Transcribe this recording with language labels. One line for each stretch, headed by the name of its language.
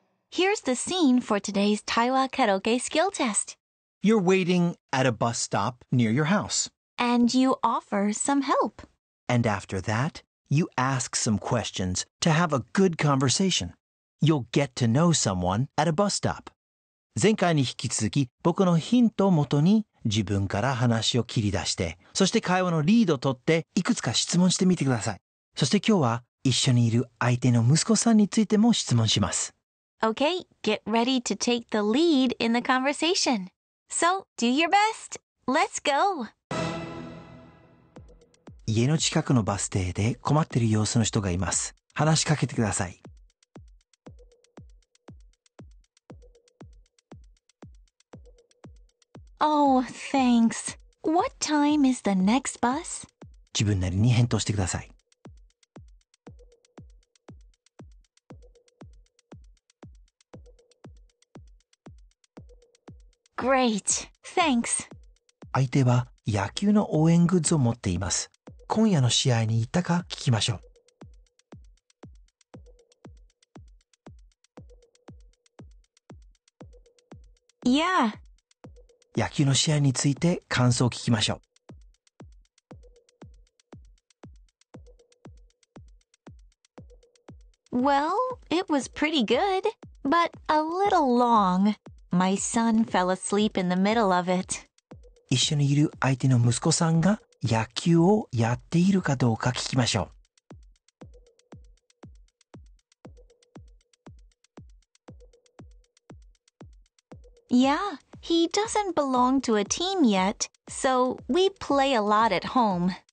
English: Here's the scene for today's Taiwa Karaoke skill test. You're waiting at a bus stop near your house. And you offer some help. And after that, you ask some questions to have a good conversation. You'll get to know someone at a bus stop.
Japanese: 前回に引き続き、僕のヒントをもとに自分から話を切り出して、そして会話のリードを取っていくつか質問してみてください。そして今日は一緒にいる相手の息子さんについても質問します。
English: Okay, get ready to take the lead in the conversation. So, do your best. Let's go!
Japanese: 家の近くのバス停で困っている様子の人がいます。話しかけてください。
English: Oh, thanks. What time is the next bus?
Japanese: 自分なりに返答してください。
English: Great. Thanks.
Japanese: 相手は野球の応援グッズを持っています。今夜の試合に行ったか聞きましょう。
English: Yeah.
Japanese: 野球の試合について感想を聞きましょう。
English: Well, it was pretty good, but a little long. My son fell asleep in the middle of it.
Japanese: 一緒にいる相手の息子さんが野球をやっているかどうか聞きましょう。
English: Yeah, he doesn't belong to a team yet, so we play a lot at home.